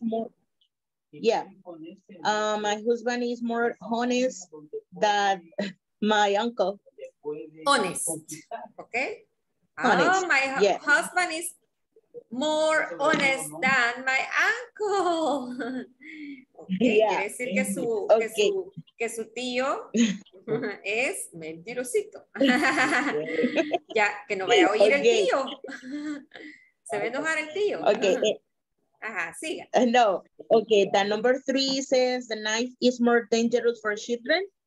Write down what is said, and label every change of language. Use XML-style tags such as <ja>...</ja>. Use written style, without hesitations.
<en>more, yeah, my husband is more honest than my uncle. Honest, okay? Honest. Oh, my husband is more honest than my uncle.</en> <es>Okay, quiere decir que su, que su tío es mentirosito. Ya, que no vaya a oír el tío. Se ve enojar el tío. Okay. Ajá, siga. No.</es> <en>Okay, the number three says the knife is more dangerous for children.</en>